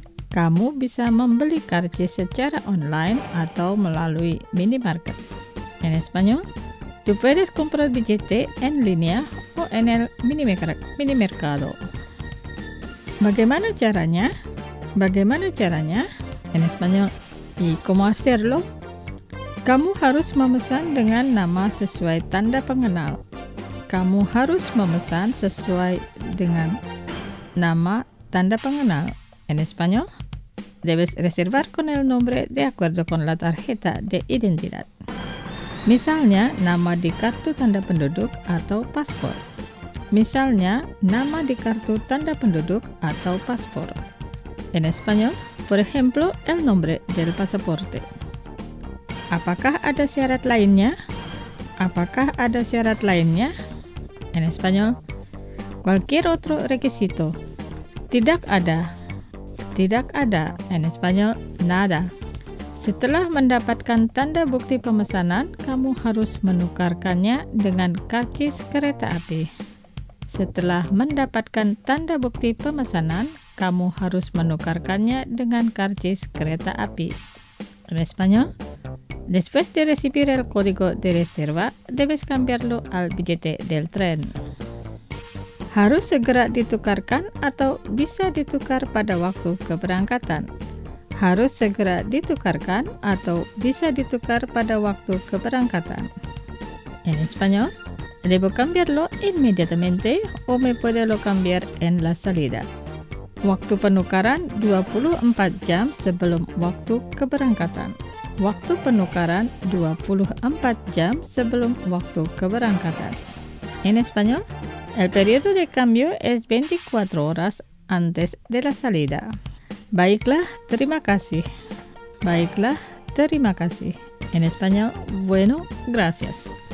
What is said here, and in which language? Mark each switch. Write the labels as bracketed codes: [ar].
[id] Kamu bisa membeli karcis secara online atau melalui minimarket. [es] En español, tú puedes comprar billete en línea o en el minimercado. [id] ¿Bagaimana caranya? ¿Bagaimana caranya? [es] En español, ¿y cómo hacerlo? [id] Kamu harus memesan dengan nama sesuai tanda pengenal. Kamu harus memesan sesuai dengan nama tanda pengenal. [es] En español, debes reservar con el nombre de acuerdo con la tarjeta de identidad. [id] Misalnya, nama di kartu tanda penduduk atau paspor. Misalnya, nama di kartu tanda penduduk atau paspor. [es] En español, por ejemplo, el nombre del pasaporte. [id] Apakah ada syarat lainnya? Apakah ada syarat lainnya? [es] En español, cualquier otro requisito. [id] Tidak ada. Tidak ada. [es] En español, nada. [id] Setelah mendapatkan tanda bukti pemesanan, kamu harus menukarkannya dengan karcis kereta api. Setelah mendapatkan tanda bukti pemesanan, kamu harus menukarkannya dengan karcis kereta api. [es] En español, después de recibir el código de reserva, debes cambiarlo al billete del tren. [id] Harus segera ditukarkan atau bisa ditukar pada waktu keberangkatan. Harus segera ditukarkan atau bisa ditukar pada waktu keberangkatan. [es] En español, debo cambiarlo inmediatamente o me puede lo cambiar en la salida. [id] Waktu penukaran 24 jam sebelum waktu keberangkatan. Waktu penukaran 24 jam sebelum waktu keberangkatan. [es] En español, el periodo de cambio es 24 horas antes de la salida. [id] Baiklah, terima kasih. Baiklah, terima kasih. [es] En español, bueno, gracias.